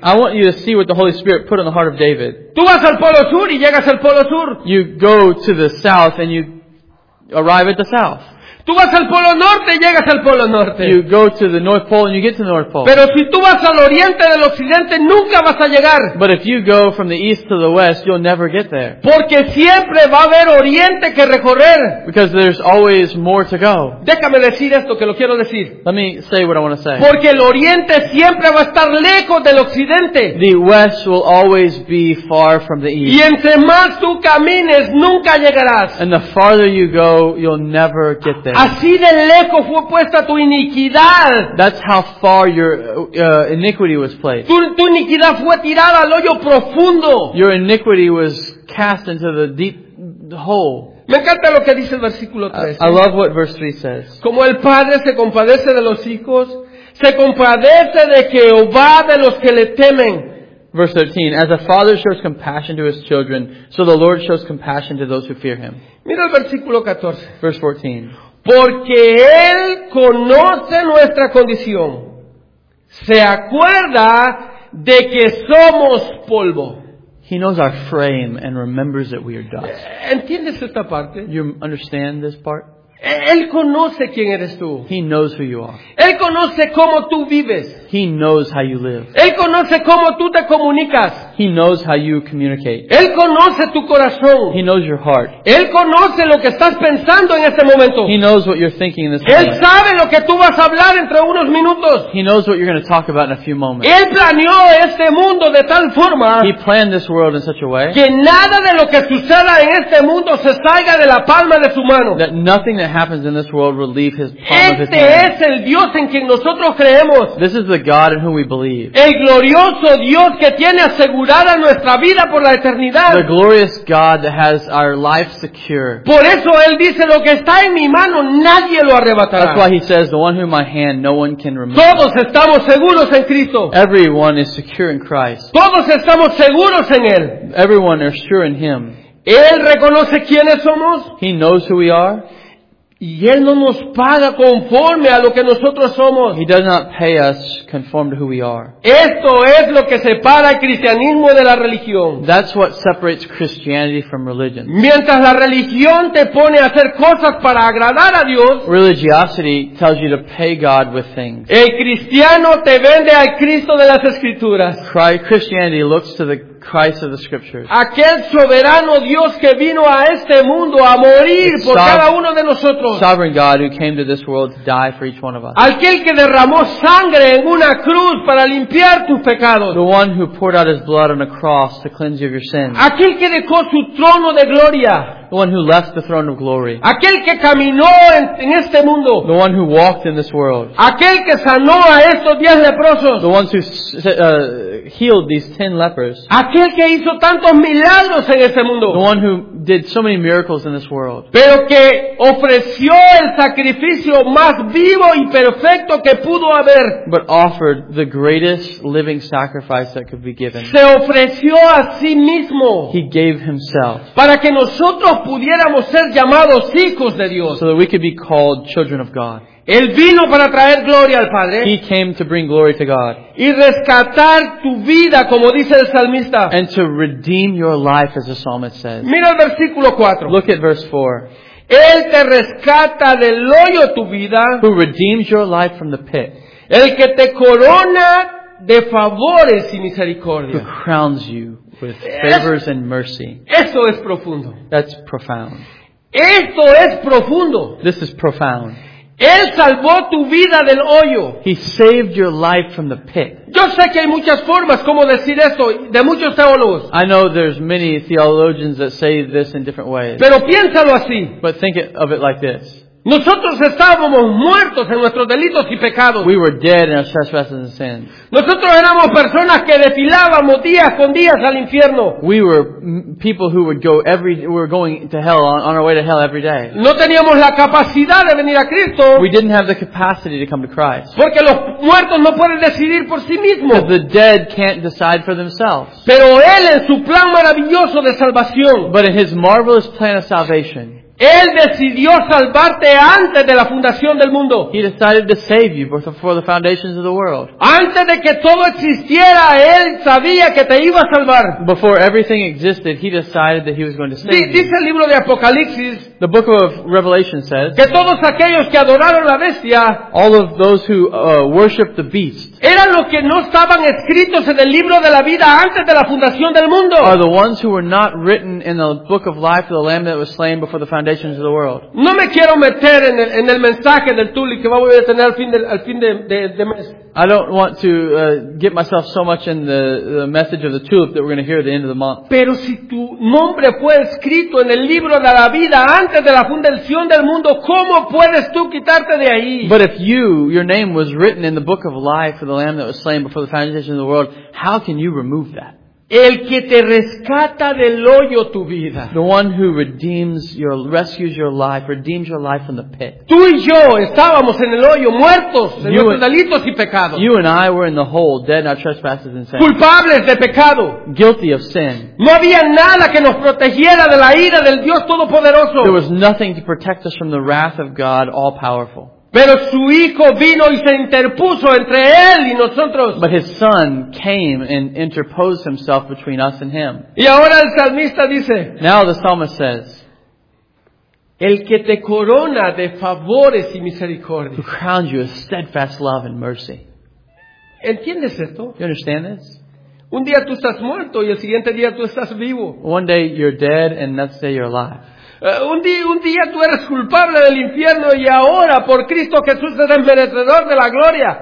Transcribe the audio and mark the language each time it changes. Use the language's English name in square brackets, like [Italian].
[English] I want you to see what the Holy Spirit put in the heart of David. [Spanish] Tú vas al Polo Sur y llegas al Polo Sur. [English] You go to the south and you arrive at the south. [Spanish] Tú vas al Polo Norte y llegas al Polo Norte. [English] You go to the North Pole and you get to the North Pole. [Spanish] Pero si tú vas al Oriente del Occidente, nunca vas a llegar. [English] But if you go from the East to the West, you'll never get there. [Spanish] Porque siempre va a haber Oriente que recorrer. [English] Because there's always more to go. [Spanish] Déjame decir esto que lo quiero decir. [English] Let me say what I want to say. [Spanish] Porque el Oriente siempre va a estar lejos del Occidente. [English] The West will always be far from the East. [Spanish] Y entre más tú camines, nunca llegarás. [English] And the farther you go, you'll never get there. [Spanish] Así de lejos fue puesta tu iniquidad. [English] That's how far your iniquity was placed. [Spanish] Tu iniquidad fue tirada al hoyo profundo. [English] Your iniquity was cast into the deep hole. [Spanish] Me encanta lo que dice el versículo 3. [English] I love what verse 3 says. [Spanish] Como el padre se compadece de los hijos, se compadece de Jehová de los que le temen. [English] Verse 13, as a father shows compassion to his children, so the Lord shows compassion to those who fear him. [Spanish] Mira el versículo 14. [English] Verse 14. [Spanish] Porque él conoce nuestra condición. Se acuerda de que somos polvo. [English] He knows our frame and remembers that we are dust. [Spanish] ¿Entiendes esta parte? [English] You understand this part? [Spanish] Él conoce quién eres tú. [English] He knows who you are. [Spanish] Él conoce cómo tú vives. [English] He knows how you live. [Spanish] Él conoce cómo tú te comunicas. [English] He knows how you communicate. [Spanish] Él conoce tu corazón. [English] He knows your heart. [Spanish] Él conoce lo que estás pensando en este momento. [English] He knows what you're thinking in this moment. [Spanish] Él sabe lo que tú vas a hablar entre unos minutos. [English] He knows what you're going to talk about in a few moments. [Spanish] Él planeó este mundo de tal forma. [English] He planned this world in such a way. [Spanish] Que nada de lo que suceda en este mundo se salga de la palma de su mano. [English] That nothing that happens in this world will leave his palm este of his hand. [Spanish] Es el Dios en quien nosotros creemos. [English] This is the God in whom we believe. [Spanish] El glorioso Dios que tiene asegurada nuestra vida por la eternidad. [English] The glorious God that has our life secure. [Spanish] Por eso él dice, lo que está en mi mano, nadie lo arrebatará. [English] That's why he says, the one who in my hand, no one can remove. [Spanish] Todos estamos seguros en Cristo. [English] Everyone is secure in Christ. [Spanish] Todos estamos seguros en él. [English] Everyone is sure in him. [Spanish] Él reconoce quiénes somos. [English] He knows who we are. [Spanish] Y él no nos paga conforme a lo que nosotros somos. [English] He does not pay us conform to who we are. [Spanish] Esto es lo que separa el cristianismo de la religión. [English] That's what separates Christianity from religion. [Spanish] Mientras la religión te pone a hacer cosas para agradar a Dios, [English] religiosity tells you to pay God with things. [Spanish] El cristiano te vende al Cristo de las Escrituras. [English] Christianity looks to the Christ of the Scriptures. [Spanish] Aquel soberano Dios que vino a este mundo a morir por cada uno de nosotros. [English] Sovereign God who came to this world to die for each one of us. [Spanish] Aquel que derramó sangre en una cruz para limpiar tus pecados. [English] The one who poured out his blood on a cross to cleanse you of your sins. [Spanish] Aquel que dejó su trono de gloria. [English] The one who left the throne of glory. [Spanish] Aquel que caminó en este mundo. [English] The one who walked in this world. [Spanish] Aquel que sanó a estos 10 leprosos. [English] The one who healed these 10 lepers. [Spanish] Aquel que hizo tantos milagros en este mundo. [English] The one who did so many miracles in this world. [Spanish] Pero que ofreció el sacrificio más vivo y perfecto que pudo haber. [English] But offered the greatest living sacrifice that could be given. [Spanish] Se ofreció a sí mismo. [English] He gave himself. [Spanish] Para que nosotros pudiéramos ser llamados hijos de Dios. [English] So that we could be called children of God. [Spanish] Él vino para traer gloria al Padre. [English] He came to bring glory to God. [Spanish] Y rescatar tu vida, como dice el salmista. [English] And to redeem your life, as the psalmist says. [Spanish] Mira el versículo 4. [English] Look at verse 4. [Spanish] Él te rescata del hoyo tu vida. [English] Who redeems your life from the pit. [Spanish] El que te corona de favores y misericordia. [English] Who crowns you with favors and mercy. [Spanish] Eso es profundo. [English] That's profound. [Spanish] Esto es profundo. [English] This is profound. [Spanish] Él salvó tu vida del hoyo. [English] He saved your life from the pit. [Spanish] Yo sé que hay muchas formas como decir esto de muchos teólogos. [English] I know there's many theologians that say this in different ways. [Spanish] Pero piénsalo así. [English] But think of it like this. [Spanish] Nosotros estábamos muertos en nuestros delitos y pecados. [English] We were dead in our trespasses and sins. [Spanish] Nosotros éramos personas que desfilábamos día con día al infierno. [English] We were people who would go every, we were going to hell on our way to hell every day. [Spanish] No teníamos la capacidad de venir a Cristo. [English] We didn't have the capacity to come to Christ. [Spanish] Porque los muertos no pueden decidir por sí mismos. [English] Because the dead can't decide for themselves. [Spanish] Pero él en su plan maravilloso de salvación. [English] But in his marvelous plan of salvation. [Spanish] Él decidió salvarte antes de la fundación del mundo. [English] He decided to save you before the foundations of the world. [Spanish] Antes de que todo existiera, Él sabía que te iba a salvar. [English] Before everything existed, He decided that He was going to save you. [Spanish] Dice el libro de Apocalipsis, [English] the book of Revelation says, [Spanish] que todos aquellos que adoraron la bestia, [English] all of those who worshiped the beast, [Spanish] eran los que no estaban escritos en el libro de la vida antes de la fundación del mundo. [English] Are the ones who were not written in the book of life of the Lamb that was slain before the foundations of the world. [Spanish] No me quiero meter en el mensaje del Tuli que vamos a tener al fin de mes. [English] I don't want to get myself so much in the message of the tulip that we're going to hear at the end of the month. [Spanish] Pero si tu nombre fue escrito en el libro de la vida antes de la fundación del mundo, ¿cómo puedes tú quitarte de ahí? [English] But if your name was written in the book of life for the Lamb that was slain before the foundation of the world, how can you remove that? [Spanish] El que te rescata del hoyo tu vida. [English] The one who rescues your life, redeems your life from the pit. [Spanish] Tú y yo estábamos en el hoyo, muertos en nuestros delitos y pecados. [English] You and I were in the hole, dead in our trespasses and sins. [Spanish] Culpables de pecado. [English] Guilty of sin. [Spanish] No había nada que nos protegiera de la ira del Dios Todopoderoso. [English] There was nothing to protect us from the wrath of God, all powerful. [Spanish] Pero su hijo vino y se interpuso entre él y nosotros. [English] But his son came and interposed himself between us and him. [Spanish] Y ahora el salmista dice, [English] now the psalmist says, [Spanish] el que te corona de favores y misericordia, [English] who crowns you with steadfast love and mercy. [Spanish] ¿Entiendes esto? [English] You understand this? [Spanish] Un día tú estás muerto y el siguiente día tú estás vivo. [English] One day you're dead and the next day you're alive. [Spanish] Un día tú eres culpable del infierno y ahora por Cristo Jesús eres merecedor de la gloria.